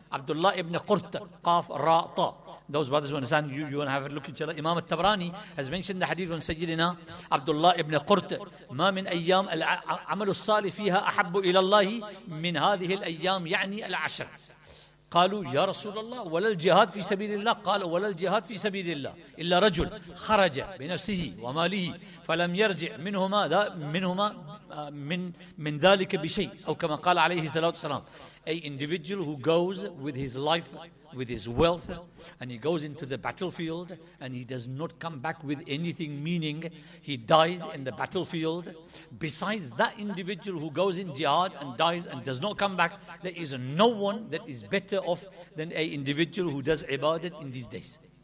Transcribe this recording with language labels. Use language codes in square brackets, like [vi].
[en] Abdullah ibn Qurt. Qaf Ra'ta. Those brothers who understand, you want to have a look at your life. Imam al-Tabrani has mentioned the hadith from Sayyidina Abdullah ibn Qurt. [ar] ما من أيام العمل الصالح فيها أحب إلى الله من هذه الأيام يعني العشر. قالوا يا رسول الله ولا الجهاد في سبيل الله. قال ولا الجهاد في سبيل الله إلا رجل خرج بنفسه وماله فلم يرجع منهما من ذلك بشيء. أو كما قال عليه الصلاة والسلام, [en] a individual who goes with his life, with his wealth, and he goes into the battlefield and he does not come back with anything, meaning he dies in the battlefield. Besides that individual who goes in jihad and dies and does not come back, there is no one that is better off than an individual who does ibadat in these days.